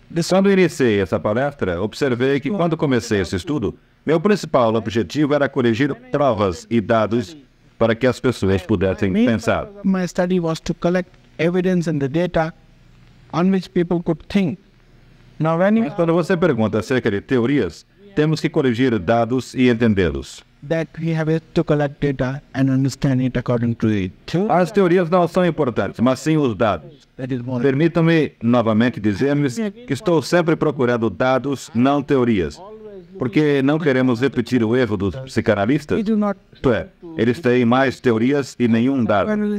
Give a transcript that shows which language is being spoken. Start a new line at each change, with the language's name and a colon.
Portuguese: Quando iniciei essa palestra, observei que quando comecei esse estudo, meu principal objetivo era corrigir provas e dados para que as pessoas pudessem pensar.
English: My study was to collect evidence and the data on which people could think. Now, when you...
Portuguese: quando você pergunta acerca de teorias, temos que corrigir dados e entendê-los.
English: That we have to collect data and understand it according to it.
Portuguese: As teorias não são importantes, mas sim os dados. Permitam-me novamente dizer-me que estou sempre procurando dados, não teorias. Porque não queremos repetir o erro dos psicanalistas? Isto é, eles têm mais teorias e nenhum dado.